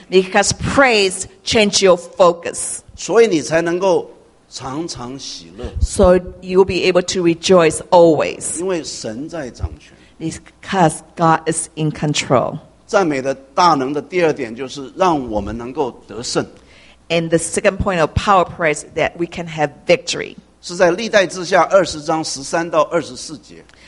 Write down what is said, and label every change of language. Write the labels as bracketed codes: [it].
[en] Because praise changes your focus. [zh] 所以你才能够常常喜乐。 [en] So you'll be able to rejoice always. [zh] 因为神在掌权。 [en] Because God is in control. [zh] 赞美的大能的第二点就是让我们能够得胜。 [en] And the second point of power praise is that we can have victory. [zh] 是在历代志下二十章十三到二十四节。